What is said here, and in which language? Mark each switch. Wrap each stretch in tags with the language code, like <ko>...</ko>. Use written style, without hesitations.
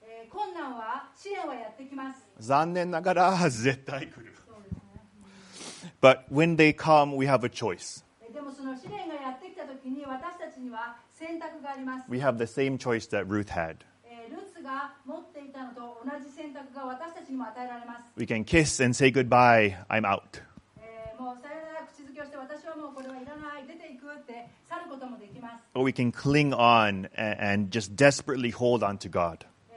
<ja>困難は試練はやってきます。残念ながら絶対来る。</ja> <en>But when they come, we have a choice.</en> <ja>でもその試練がやってきた時に私たちには選択があります。</ja> <en>We have the same choice that Ruth had.</en> <ja>ルツが持っていたのと同じ選択が私たちにも与えられます。</ja> <en>We can kiss and say goodbye. I'm out.</en> <ja>もうさよなら口づけをして私はもうこれはいらない出ていくって。</ja> <en>Or we can cling on and just desperately hold on to God.</en>